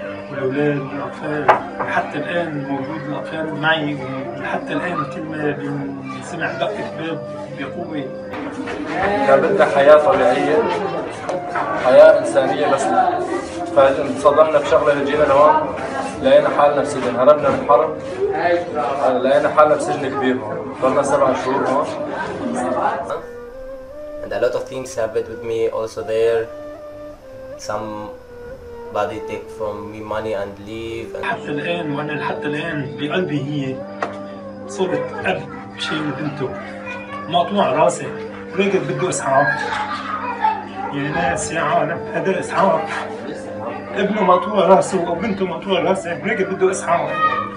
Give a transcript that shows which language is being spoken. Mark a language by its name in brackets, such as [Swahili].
[Arabic] والأولاد والأطفال، حتى الآن موجود الأطفال معي، وحتى الآن كل ما بنسمع دقة باب بقوة. بدها حياة طبيعية، حياة إنسانية، بس فانصدمنا بشغلة اللي جينا لهون، لقينا حالنا بسجن، هربنا من الحرب، لقينا حالنا بسجن كبير هون، ضلنا 7 شهور هون. [English] A lot of things happened with me also there. Somebody take from me money and leave. [Arabic] حتى الآن وأنا حتى الآن بقلبي هي صورة أب شايل بنته مقطوع راسي، راجل بده إسعاف، يعني ناس يا عالم هذا إسعاف، ابنه مقطوع راسه وبنته مقطوع راسه، راجل بده إسعاف.